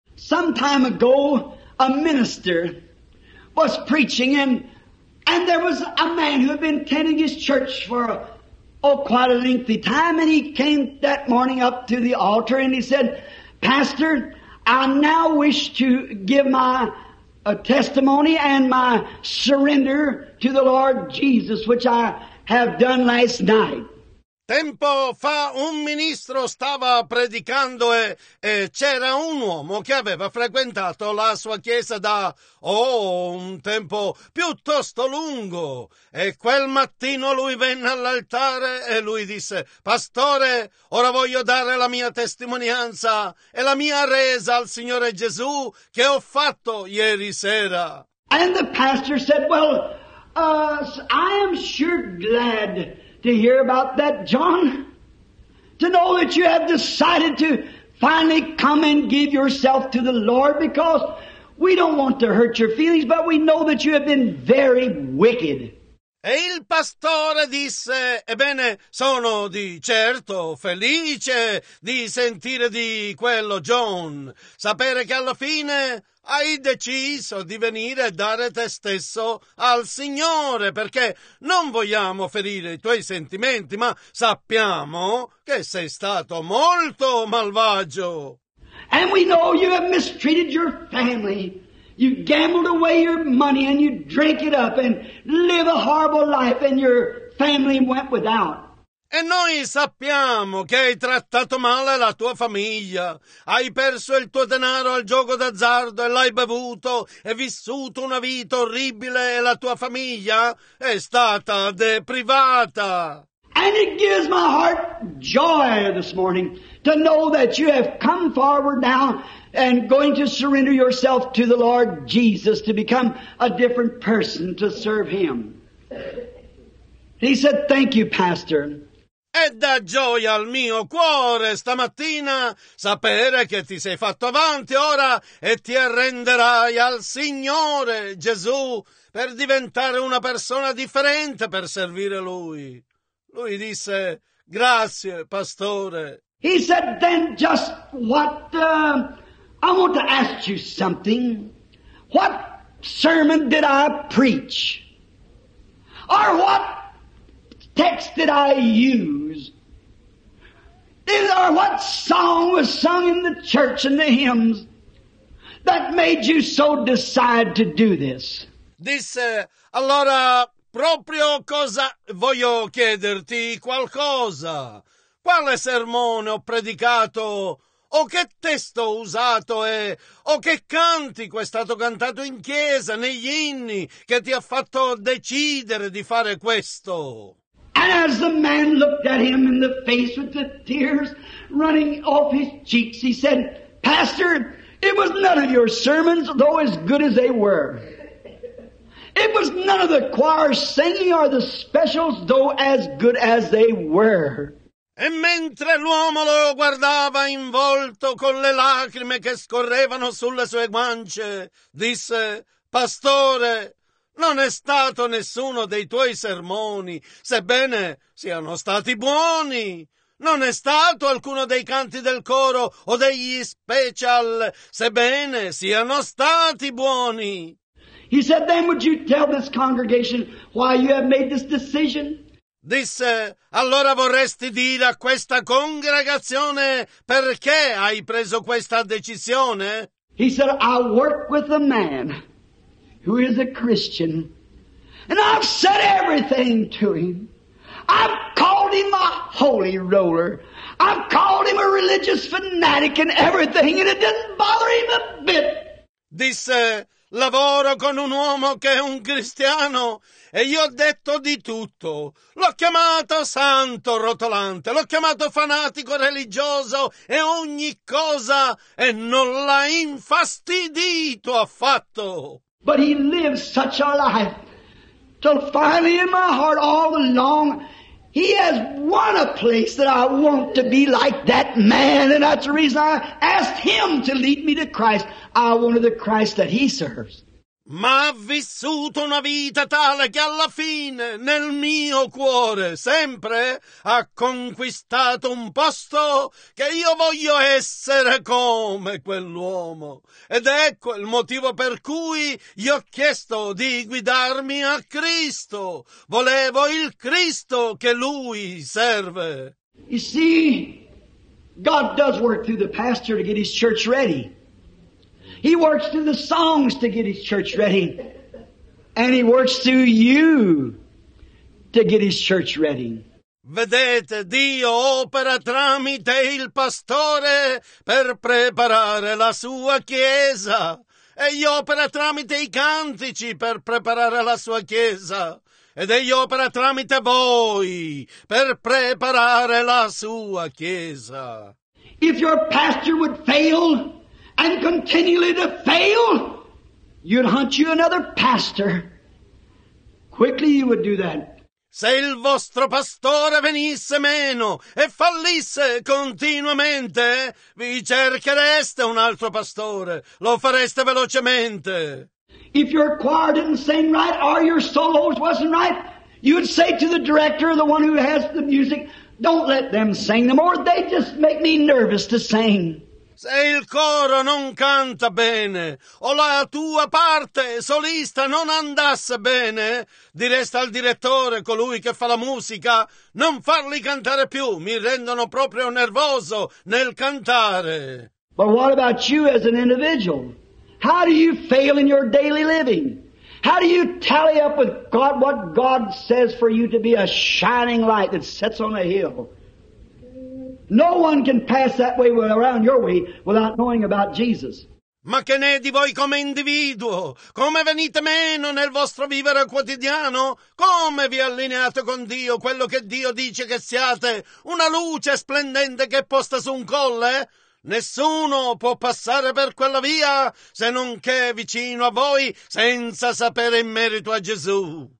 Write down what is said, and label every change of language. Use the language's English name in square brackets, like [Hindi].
[English] Some time ago, a minister was preaching, and there was a man who had been attending his church for quite a lengthy time, and he came that morning up to the altar, and he said, Pastor, I now wish to give a testimony and my surrender to the Lord Jesus, which I have done last night. [Italian] Tempo fa un ministro stava predicando e c'era un uomo che aveva frequentato la sua chiesa da un tempo piuttosto lungo. E quel mattino lui venne all'altare e lui disse, Pastore, ora voglio dare la mia testimonianza e la mia resa al Signore Gesù che ho fatto ieri sera. [English] And the pastor said, well, I am sure glad to hear about that, John, to know that you have decided to finally come and give yourself to the Lord, because we don't want to hurt your feelings, but we know that you have been very wicked. [Italian] E il pastore disse, ebbene, sono di certo felice di sentire di quello, John, sapere che alla fine hai deciso di venire a dare te stesso al Signore, perché non vogliamo ferire i tuoi sentimenti, ma sappiamo che sei stato molto malvagio. [English] And we know you have mistreated your family. You gambled away your money and you drank it up and live a horrible life and your family went without. [Italian] E noi sappiamo che hai trattato male la tua famiglia. Hai perso il tuo denaro al gioco d'azzardo e l'hai bevuto e vissuto una vita orribile e la tua famiglia è stata deprivata. [English] And it gives my heart joy this morning to know that you have come forward now and going to surrender yourself to the Lord Jesus to become a different person to serve Him. He said, thank you, Pastor. [Italian] E dà gioia al mio cuore stamattina sapere che ti sei fatto avanti ora e ti arrenderai al Signore Gesù per diventare una persona differente per servire Lui. Lui disse, grazie, pastore. [English] He said, then just what, I want to ask you something. What sermon did I preach? Or what text did I use? Or what song was sung in the church and the hymns that made you so decide to do this? [Italian] Disse, allora, proprio cosa voglio chiederti qualcosa. Quale sermone ho predicato? O che testo ho usato? O che cantico è stato cantato in chiesa, negli inni, che ti ha fatto decidere di fare questo? [English] And as the man looked at him in the face with the tears running off his cheeks, he said, Pastor, it was none of your sermons, though as good as they were. It was none of the choir singing or the specials, though as good as they were. [Italian] E mentre l'uomo lo guardava in volto con le lacrime che scorrevano sulle sue guance, disse, Pastore, non è stato nessuno dei tuoi sermoni, sebbene siano stati buoni. Non è stato alcuno dei canti del coro o degli special, sebbene siano stati buoni. [English] He said, then would you tell this congregation why you have made this decision? [Italian] Disse, allora vorresti dire a questa congregazione perché hai preso questa decisione? [English] He said, I work with a man who is a Christian and I've said everything to him. I've called him a holy roller. I've called him a religious fanatic and everything and it didn't bother him a bit. [Italian] Disse, lavoro con un uomo che è un cristiano e gli ho detto di tutto. L'ho chiamato santo rotolante, l'ho chiamato fanatico religioso e ogni cosa e non l'ha infastidito affatto. [English] But he lived such a life till finally in my heart all along he has won a place that I want to be like that man, and that's the reason I asked him to lead me to Christ. I wanted the Christ that he serves. [Italian] Ma ha vissuto una vita tale che alla fine, nel mio cuore, sempre ha conquistato un posto che io voglio essere come quell'uomo. Ed ecco il motivo per cui gli ho chiesto di guidarmi a Cristo. Volevo il Cristo che lui serve. [English] You see, God does work through the pastor to get his church ready. He works through the songs to get his church ready. And he works through you to get his church ready. [Italian] Vedete, Dio opera tramite il pastore per preparare la sua chiesa. Egli opera tramite i cantici per preparare la sua chiesa. Ed egli opera tramite voi per preparare la sua chiesa. [English] If your pastor would fail and continually to fail, you'd hunt you another pastor. Quickly you would do that. [Italian] Se il vostro pastore venisse meno e fallisse continuamente, vi cerchereste un altro pastore. Lo fareste velocemente. [English] If your choir didn't sing right or your solos wasn't right, you'd say to the director, the one who has the music, don't let them sing them, or they just make me nervous to sing. [Italian] Se il coro non canta bene, o la tua parte solista non andasse bene, diresti al direttore, colui che fa la musica, non farli cantare più, mi rendono proprio nervoso nel cantare. [English] But what about you as an individual? How do you fail in your daily living? How do you tally up with God what God says for you to be a shining light that sets on a hill? No one can pass that way around your way without knowing about Jesus. [Italian] Ma che ne è di voi come individuo? Come venite meno nel vostro vivere quotidiano? Come vi allineate con Dio, quello che Dio dice che siate? Una luce splendente che è posta su un colle? Nessuno può passare per quella via se non che è vicino a voi senza sapere in merito a Gesù.